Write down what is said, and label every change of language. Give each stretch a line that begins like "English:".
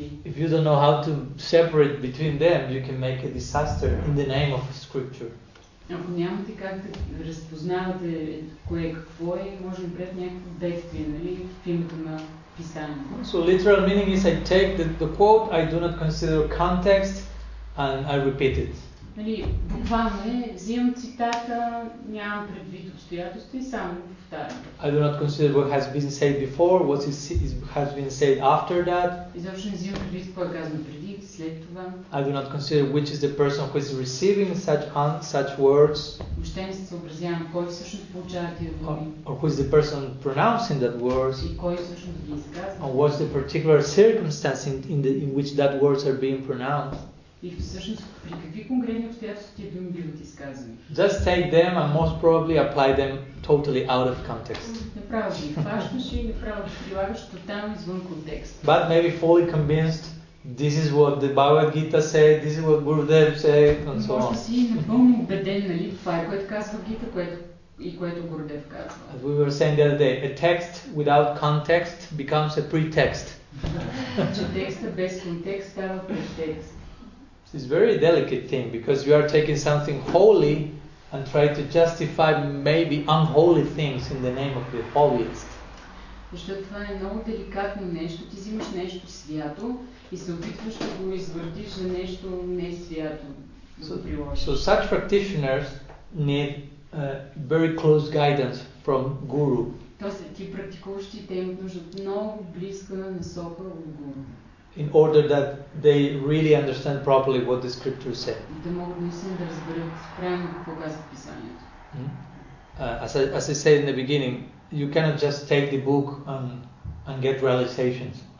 English: if you don't know how to separate between them, you can make a disaster in the name of scripture.
Bulgarian: Ако нямате как да разпознавате кое какво е, може да бъде някакво действие, нали, в името на писание.
English: So literal meaning is I take the quote, I do not consider context, and I repeat it.
Bulgarian: Нали, буквално е, взимам цитата, нямам предвид обстоятелства и само го повтарям.
English: I do not consider what has been said before, what has been said after that.
Bulgarian: Изобщо не взимам предвид какво е казано преди. След това,
English: I do not consider which is the person who is receiving such such words.
Bulgarian: Въобще не се съобразявам кой всъщност получава тия думи.
English: Or who is the person pronouncing that words?
Bulgarian: И кой всъщност ги изказва?
English: Or what's the particular circumstance in which that words are being pronounced?
Bulgarian: И всъщност при какви конкретни обстоятелства тия думи биват изказани?
English: Just take them and most probably apply them totally out of context.
Bulgarian: Направо ги хващаш и направо ги прилагаш тотално извън контекст.
English: But maybe fully convinced. This is what the Bhagavad Gita said, this is what Gurudev said, and so on.
Bulgarian: Си напълно убеден, нали, това е което казва Гита, и което Гурудев казва.
English: As we were saying the other day, a text without context becomes a pretext.
Bulgarian: Че текстът без контекст става претекст.
English: It's a very delicate thing, because you are taking something holy and try to justify maybe unholy things in the name of the holiest.
Bulgarian: Защото това е много деликатно нещо, ти взимаш нещо свято, и се опитваш да го извъртиш за нещо не свято, да приложиш.
English: So such practitioners need very close guidance from guru.
Bulgarian: Тоест, ти практикуващи, те имат нужда от много близка насока от гуру.
English: In order that they really understand properly what the scripture said.
Bulgarian: Да могат наистина да разберат правилно какво казва писанието.
English: As I said in the beginning, you cannot just take the book and get realizations.